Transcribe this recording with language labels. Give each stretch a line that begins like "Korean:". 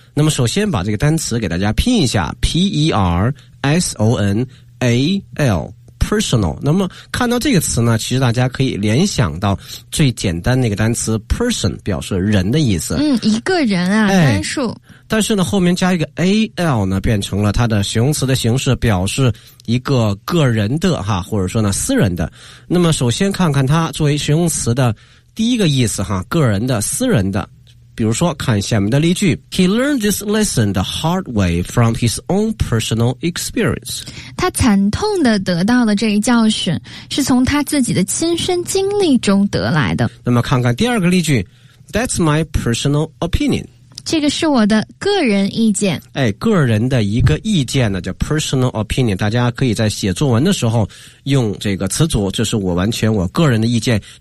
Chinese: 那么首先把这个单词给大家拼一下 personal personal， 那么看到这个词呢，其实大家可以联想到最简单那个单词 person， 表示人的意思。一个人啊，单数。但是呢，后面加一个 al 呢，变成了它的形容词的形式，表示一个个人的哈，或者说呢私人的。那么首先看看它作为形容词的第一个意思哈，个人的、私人的。比如说看下面的例句
English: He learned this lesson the hard way from his own personal experience.
Chinese: 他惨痛地得到了这一教训，是从他自己的亲身经历中得来的。那么看看第二个例句
English: That's my personal opinion.
Chinese: 这个是我的个人意见。哎，个人的一个意见呢叫 personal opinion， 大家可以在写作文的时候用这个词组，这是我完全我个人的意见。